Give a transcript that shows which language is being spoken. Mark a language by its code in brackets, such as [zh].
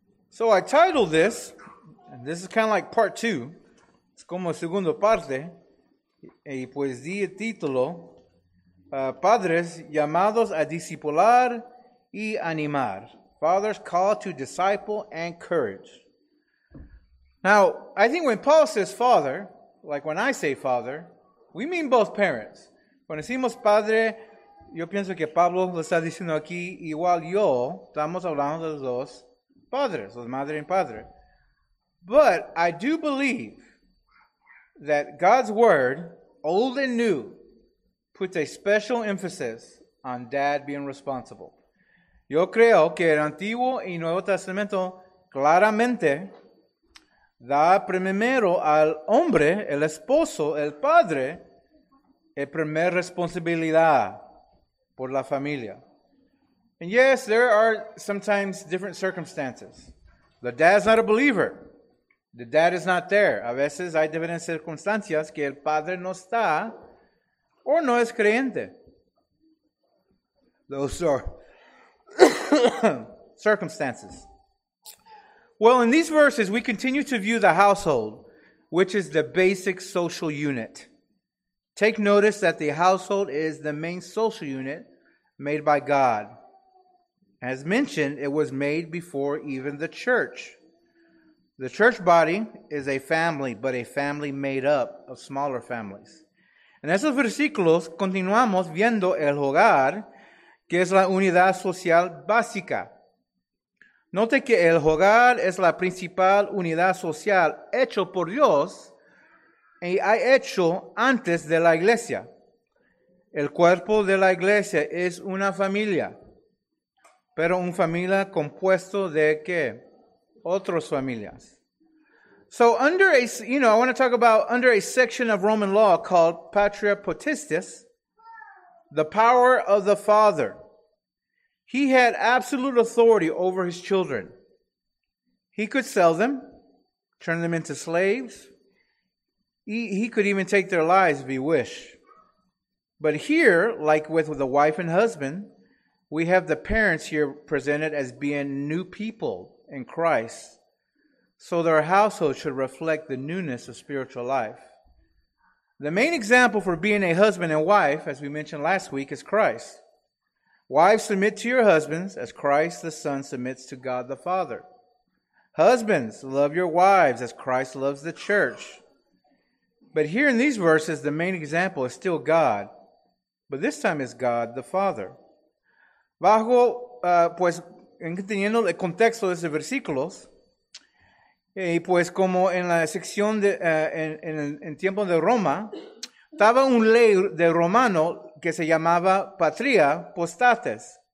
[en] So I titled this, and this is kind of like part two. [es] Es como segunda parte. Y pues di el título, Padres llamados a discipular y animar. [en] Fathers called to disciple and encourage. Now, I think when Paul says father, like when I say father, we mean both parents. [es] Cuando decimos padre, yo pienso que Pablo lo está diciendo aquí, igual yo, estamos hablando de los padres, los madre y padre. [en] But I do believe that God's word, old and new, puts a special emphasis on dad being responsible. [es] Yo creo que el Antiguo y Nuevo Testamento claramente da primero al hombre, el esposo, el padre, el primer responsabilidad por la familia. [en] And yes, there are sometimes different circumstances. The dad's not a believer. The dad is not there. [es] A veces hay diferentes circunstancias que el padre no está o no es creyente. [en] Those are circumstances. Well, in these verses, we continue to view the household, which is the basic social unit. Take notice that the household is the main social unit made by God. As mentioned, it was made before even the church. The church body is a family, but a family made up of smaller families. [es] En esos versículos, continuamos viendo el hogar, que es la unidad social básica. Note que el hogar es la principal unidad social hecho por Dios y ha hecho antes de la iglesia. El cuerpo de la iglesia es una familia, pero una familia compuesto de ¿qué? Otras familias. [en] So under a, you know, I want to talk about under a section of Roman law called Patria Potestas, the power of the father. He had absolute authority over his children. He could sell them, turn them into slaves. He could even take their lives if he wished. But here, like with the wife and husband, we have the parents here presented as being new people in Christ. So their household should reflect the newness of spiritual life. The main example for being a husband and wife, as we mentioned last week, is Christ. Wives, submit to your husbands as Christ the Son submits to God the Father. Husbands, love your wives as Christ loves the church. But here in these verses, the main example is still God. But this time is God the Father. [es] Bajo, pues, entendiendo el contexto de estos versículos, y pues como en la sección de, en tiempo de Roma, estaba un ley de romano que se llamaba Patria Potestas,